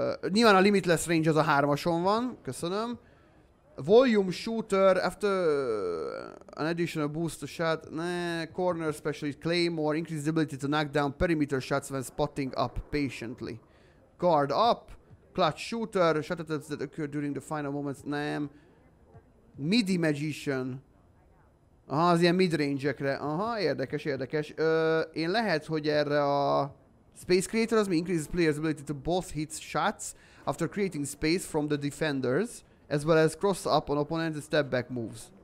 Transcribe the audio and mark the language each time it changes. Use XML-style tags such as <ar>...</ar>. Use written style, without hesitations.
<hu>Nyilván a limitless range az a hármason van, köszönöm.</hu> <en>Volume shooter after an additional boost to shot. Corner specialist claymore, increased ability to knock down perimeter shots when spotting up patiently. Guard up, clutch shooter, shot attempts that occur during the final moments, nem. Midi magician.</en> <hu>Aha, az ilyen midrange-ekre. Aha, érdekes, érdekes. Én lehet, hogy erre a space creator az mi?</hu> <en>Increases player's ability to both hit shots after creating space from the defenders, as well as cross up on opponent's step back moves.</en>